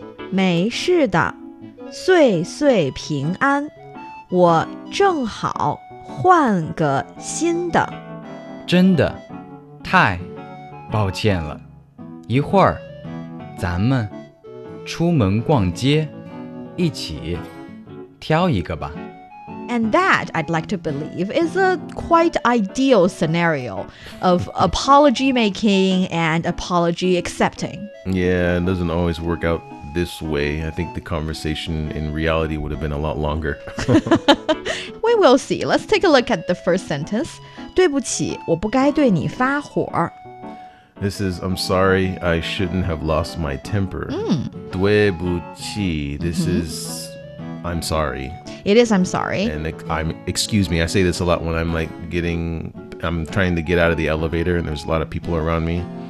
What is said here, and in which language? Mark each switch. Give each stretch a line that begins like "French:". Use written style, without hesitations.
Chinese: 没事的，岁岁平安，我正好换个新的。真的太抱歉了，一会儿咱们出门逛街，一起挑一个吧。
English: And that, I'd like to believe, is a quite ideal scenario of apology making and apology accepting. Yeah, it doesn't always work out this way. I think the conversation in reality would have been a lot longer. We will see. Let's take a look at the first sentence.
Chinese: 对不起,我不该对你发火。
English: This is, I'm sorry, I shouldn't have lost my temper.
Chinese: 对不起,
English: this is, I'm sorry. It is, I'm sorry. And excuse me, I say this a lot when I'm trying to get out of the elevator and there's a lot of people around me.